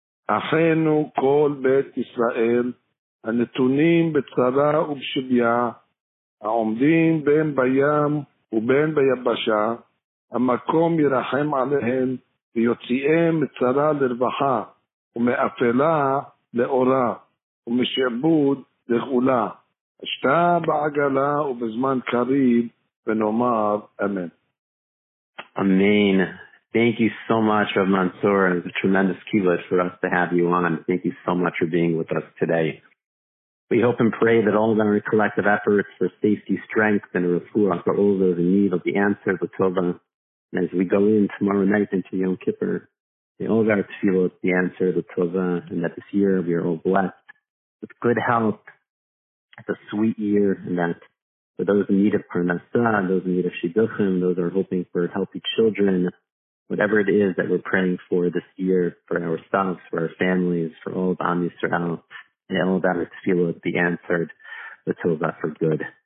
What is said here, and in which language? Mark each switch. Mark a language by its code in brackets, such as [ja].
[he] Achenu kol bet Israel, hanetunim betzara ubshibya, haomdim ben bayam uben bayabasha, המקום ירחם עליהם ויוציאם מצרה לרווחה ומאפלה לאורה ומשעבוד לכולה. אשתה בעגלה ובזמן קריב ונאמר אמן. [en] אמן. Thank you so much, Rav Mansour. It's a tremendous kibbutz for us to have you on. Thank you so much for being with us today. We hope and pray that all of our collective efforts for safety, strength, and refuah for all those in need of the answer of the Tova. And as we go in tomorrow night into Yom Kippur, the Olgar Tfilot, the answer of the Tova, and that this year we are all blessed with good health, it's a sweet year, and that for those in need of Parnasa, those in need of Shidduchim, those who are hoping for healthy children, whatever it is that we're praying for this year, for ourselves, for our families, for all of Am Yisrael, and the Olgar Tfilot, the answer of the Tova for good.